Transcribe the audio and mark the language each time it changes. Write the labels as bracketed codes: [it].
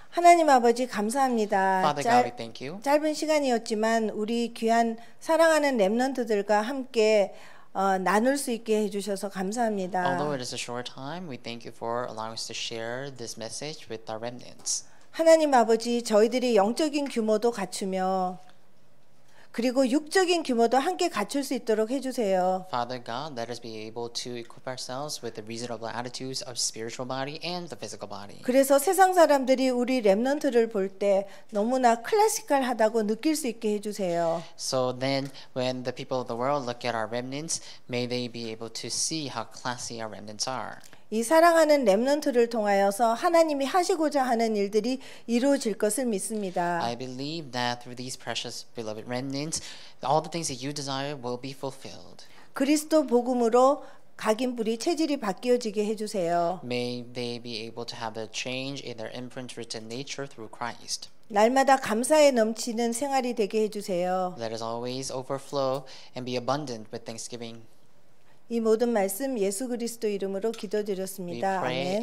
[ko] 하나님 아버지 감사합니다. [en] Father God, thank you. [ko] 짧은 시간이었지만 우리 귀한 사랑하는 렘넌트들과 함께 나눌 수 있게 해주셔서 감사합니다. [en] Although it is a short time, we thank you for allowing us to share this message with our remnants. [ko] 하나님 아버지 저희들이 영적인 규모도 갖추며 그리고 육적인 규모도 함께 갖출 수 있도록 해주세요. [en] Father God, let us be able to equip ourselves with the reasonable attitudes of spiritual body and the physical body. [ko] 그래서 세상 사람들이 우리 렘넌트를 볼 때 너무나 클래식할하다고 느낄 수 있게 해주세요. [en] So then, when the people of the world look at our remnants, may they be able to see how classy our remnants are. [ko] 이 사랑하는 렘넌트를 통하여서 하나님이 하시고자 하는 일들이 이루어질 것을 믿습니다. [en] I believe that through these precious beloved remnants, all the things that you desire will be fulfilled. [ko] 그리스도 복음으로 각인 뿌리 체질이 바뀌어지게 해주세요. [en] May they be able to have a change in their imprint written nature through Christ. [ko] 날마다 감사에 넘치는 생활이 되게 해주세요. [en] Let us always overflow and be abundant with thanksgiving. [ko] 이 모든 말씀 예수 그리스도 이름으로 기도드렸습니다. 아멘.